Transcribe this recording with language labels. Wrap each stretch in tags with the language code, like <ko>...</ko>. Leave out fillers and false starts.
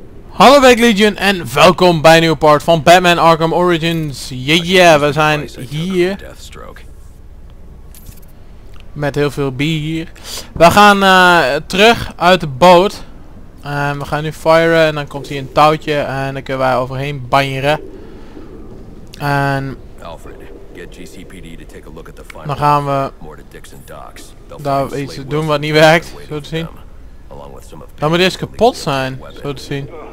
<nl>Hallo Black Legion en welkom bij een nieuwe part van Batman Arkham Origins. Yeah, we zijn hier. Met heel veel bier hier. We gaan terug uit de boot. We gaan nu firen en dan komt hier een touwtje en dan kunnen wij overheen banjeren. En</nl> <en>Alfred, get GCPD to take a look at the final.</en> <nl>Dan gaan we daar iets doen wat niet werkt, zo te zien. Dan moet eerst kapot zijn, zo te zien.</nl>